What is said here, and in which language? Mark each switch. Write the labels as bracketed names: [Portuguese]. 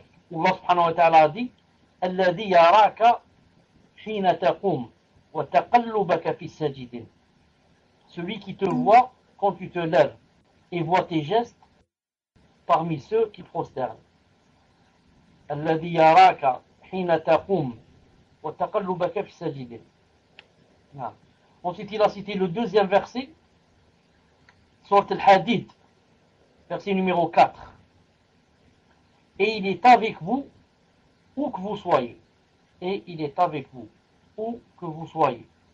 [French] Allah subhanahu wa ta'ala a dit: [Arabic] الذي يراك حين تقوم وتقلبك في الساجدين. [French] Celui qui te voit quand tu te lèves et voit tes gestes parmi ceux qui prosternent. [Arabic] الذي يراك حين تقوم وتقلبك في الساجدين. [French] Ensuite, il a cité le deuxième verset, sourate Al-Hadid, verset numéro 4. Et il est avec vous où que vous soyez, et il est avec vous, où que vous soyez.